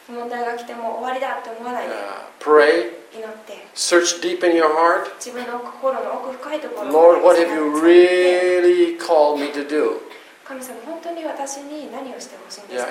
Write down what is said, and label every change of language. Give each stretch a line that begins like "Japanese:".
Japanese: 問題が来ても終わりだって思わないで。
English: Pray.
Japanese: 祈って。
English: Search deep in your heart.
Japanese: 自分の心の奥深いところを探して。
English: Lord, what have you really called me to do?
Japanese: 神様本当に私に何をしてほしいんですか。